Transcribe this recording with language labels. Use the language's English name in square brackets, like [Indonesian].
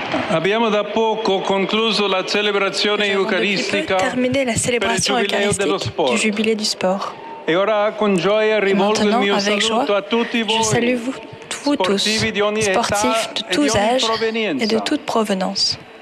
[Italian] Abbiamo da poco concluso la celebrazione eucaristica. Abbiamo [French] terminé la célébration eucharistique du jubilé du sport. [Italian] E ora con gioia rivolgo il mio saluto a tutti voi. [French] Je salue vous tous, sportifs de tous âges et de toute provenance.